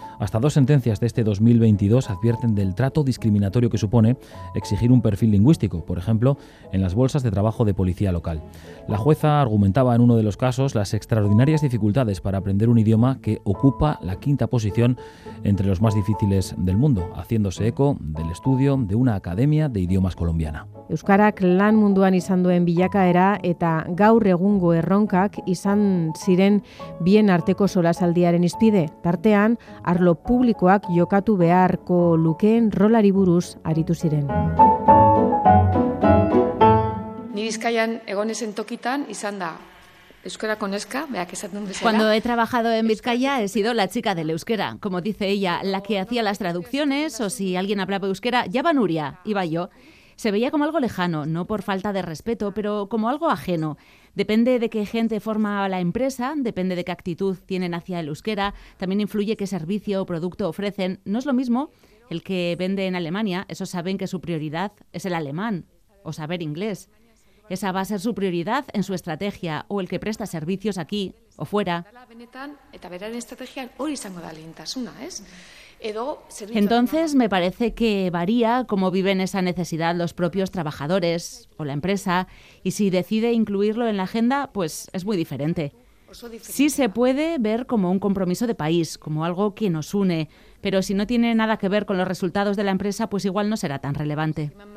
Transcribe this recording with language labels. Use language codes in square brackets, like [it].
[es] Hasta dos sentencias de este 2022 advierten del trato discriminatorio que supone exigir un perfil lingüístico, por ejemplo, en las bolsas de trabajo de policía local. La jueza argumentaba en uno de los casos las extraordinarias dificultades para aprender un idioma que ocupa la quinta posición entre los más difíciles del mundo, haciéndose eco del estudio de una academia de idiomas colombiana. [eu] Euskarak lan munduan izan duen bilakaera eta gaur egungo erronkak izan ziren bien arteko solasaldiaren izpide. Tartean, arlo publikoak jokatu beharko lukeen rolari buruz aritu ziren. Ni Bizkaian egon ezen tokitan izan da euskara konezka, beak esaten bezala. [es] Cuando he trabajado en Bizkaia he sido la chica del euskera, como dice ella, la que hacía las traducciones o si alguien hablaba euskera, ya va Nuria, iba yo. Se veía como algo lejano, no por falta de respeto, pero como algo ajeno. Depende de qué gente forma la empresa, depende de qué actitud tienen hacia el euskera, también influye qué servicio o producto ofrecen. No es lo mismo el que vende en Alemania, esos saben que su prioridad es el alemán o saber inglés. Esa va a ser su prioridad en su estrategia, o el que presta servicios aquí o fuera. [eu] Benetan, eta beraren estrategian hori izango da lehentasuna, ez? [es] Entonces me parece que varía cómo viven esa necesidad los propios trabajadores o la empresa, y si decide incluirlo en la agenda, pues es muy diferente. Sí se puede ver como un compromiso de país, como algo que nos une, pero si no tiene nada que ver con los resultados de la empresa, pues igual no será tan relevante.